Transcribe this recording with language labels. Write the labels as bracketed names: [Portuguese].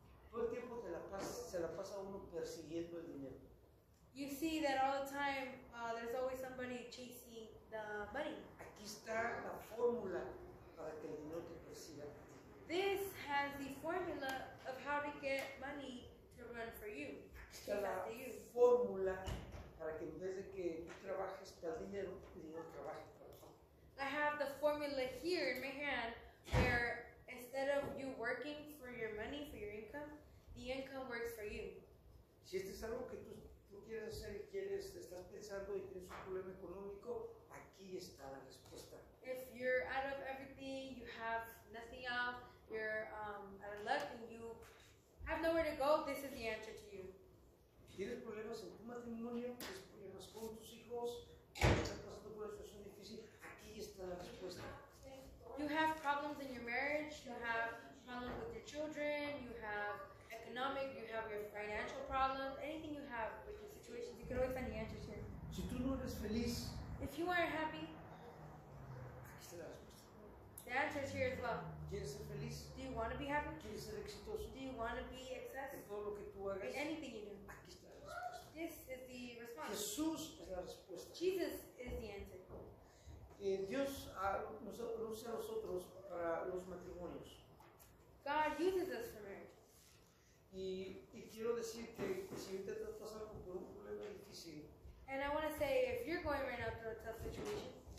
[Spanish] Todo el tiempo se la pasa uno persiguiendo el dinero. [English] You see that all the time, there's always somebody chasing the money. [Spanish] Aquí está la fórmula para que el dinero te persiga. [English] This has the formula of how to get money to run for you. [Spanish] Está la fórmula para que en vez de que tú trabajes para el dinero trabaje para ti. [English] I have the formula here in my hand where instead of you working for your money, for your income, the income works for you. [Spanish] Si esto es algo que tú quieres hacer y estás pensando y tienes un problema económico, aquí está la respuesta. [English] If you're out of everything, you have nothing else, you're out of luck and you have nowhere to go, this is the answer to you. [Spanish] ¿Tienes problemas en tu matrimonio? ¿Tienes problemas con tus hijos? ¿Estás pasando por una situación difícil? Aquí está la respuesta. [English] You have problems in your marriage, you have problems with your children, you have economic, you have your financial problems, anything you have with your situations, you can always find the answers here. [Spanish] Si tú no eres feliz, [English] if you aren't happy, [Spanish] aquí está la respuesta. [English] The answer is here as well. [Spanish] ¿Quieres ser feliz? [English] Do you want to be happy? [Spanish] ¿Quieres ser exitoso? [English] Do you want to be excessive? [Spanish] En todo lo que tú hagas, [English] in anything you do. [Spanish] Aquí está la respuesta. [English] This is the response. [Spanish] Jesús es la respuesta. [English] Jesus is the answer. [Spanish] Dios nos usa a nosotros para los matrimonios. [English] God uses us for marriage. [Spanish] Y quiero decir que si te estás pasando por un problema difícil, [English] and I want to say, if you're going right now through a tough situation,